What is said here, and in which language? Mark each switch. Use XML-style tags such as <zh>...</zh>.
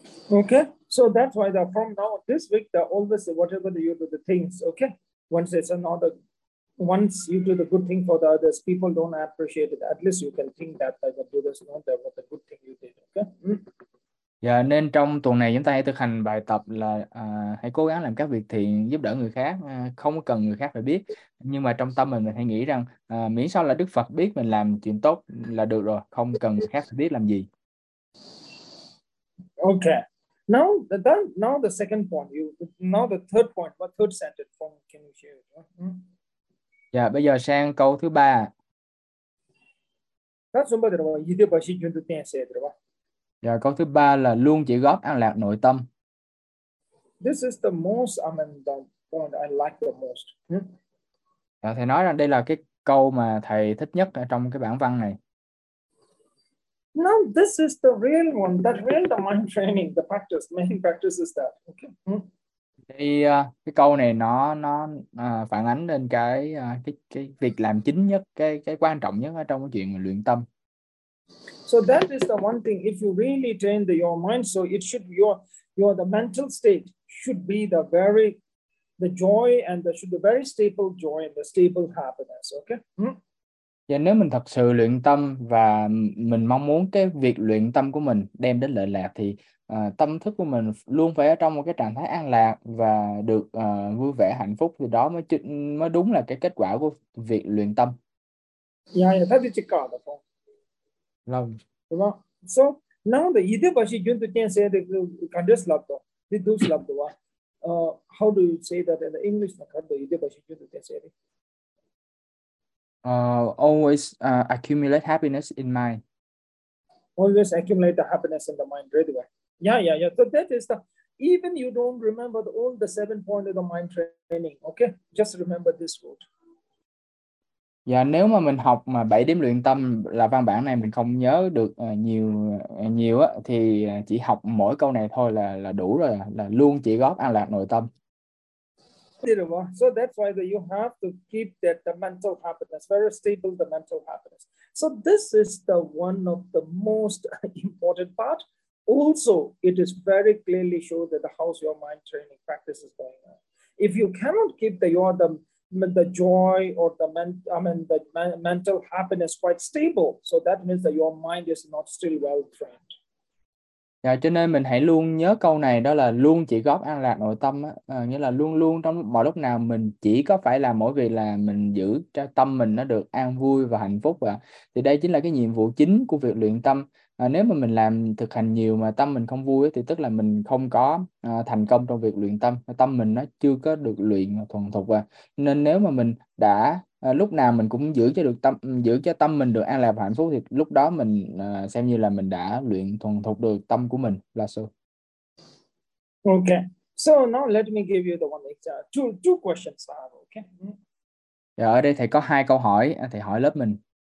<en>Okay, so that's why the from now this week the always whatever you do the things, okay, once it's another once you do the good thing for the others, people don't appreciate it. At least you can think that like the Buddha's not there what the good thing you did, okay.</en> <vi>Yeah, nên trong tuần này chúng ta hãy thực hành bài tập là hãy cố gắng làm các việc thiện giúp đỡ người khác, không cần người khác phải biết. Nhưng mà trong tâm mình hãy nghĩ rằng miễn sao là Đức Phật biết mình làm chuyện tốt là được rồi, không cần người khác phải biết làm gì.</vi> <en>Okay, now the second point, the third point, what third sentence from can you share?</en> <vi>Yeah, bây giờ sang câu thứ ba.</vi> <en>That's number one. You do what you do, then say it, right?</en> <vi>Và câu thứ ba là luôn chỉ góp an lạc nội tâm.</vi> <en>This is the most I mean the point I like the most.</en> <vi>Và thầy nói rằng đây là cái câu mà thầy thích nhất ở trong cái bản văn này.</vi> <en>No, this is the real one. That real the mind training, the practice, main practice is that. Okay.</en> <vi>Thì cái câu này nó phản ánh lên cái việc làm chính nhất, cái quan trọng nhất ở trong cái chuyện luyện tâm.</vi> <en>So that is the one thing. If you really train your mind, so it should be your the mental state should be the joy and the should be very stable joy and the stable happiness. Okay.</en> <vi>Yeah, nếu mình thật sự luyện tâm và mình mong muốn cái việc luyện tâm của mình đem đến lợi lạc thì tâm thức của mình luôn phải ở trong một cái trạng thái an lạc và được vui vẻ hạnh phúc thì đó mới đúng là cái kết quả của việc luyện tâm.</vi> <en>Yeah, that is the card. Love. So Now the idea was you going to can say the kandas labdo the dus labdo wa how do you say that in the English na kandu idea was you going to say it always accumulate happiness in mind. Always accumulate the happiness in the mind right away. Yeah. So that is the even you don't remember the, all the 7 point of the mind training. Okay, just remember this word.</en> <vi>Dạ, nếu mà mình học mà 7 điểm luyện tâm là văn bản này mình không nhớ được nhiều nhiều á thì chỉ học mỗi câu này thôi là đủ rồi, là luôn chỉ góp an lạc nội tâm.</vi> <en>So that's why you have to keep that the mental happiness, very stable the mental happiness. So this is the one of the most important part. Also, it is very clearly show that the how's your mind training practice is going on. If you cannot keep the joy or the mental happiness quite stable, so that means that your mind is not still well trained.</en> <vi>Dạ, cho nên mình hãy luôn nhớ câu này, đó là luôn chỉ góp an lạc nội tâm á, nghĩa là luôn luôn trong mọi lúc nào mình chỉ có phải làm mỗi việc là mình giữ cho tâm mình nó được an vui và hạnh phúc và thì đây chính là cái nhiệm vụ chính của việc luyện tâm. Nếu mà mình làm thực hành nhiều mà tâm mình không vui thì tức là mình không có thành công trong việc luyện tâm, tâm mình nó chưa có được luyện thuần thục và nên nếu mà mình đã lúc nào mình cũng giữ cho tâm mình được an lạc và hạnh phúc thì lúc đó mình xem như là mình đã luyện thuần thục được tâm của mình là sao.</vi> <en>Okay, so now let me give you the one two questions I have, okay.</en> <vi>Dạ, ở đây thầy có hai câu hỏi thầy hỏi lớp mình.</vi>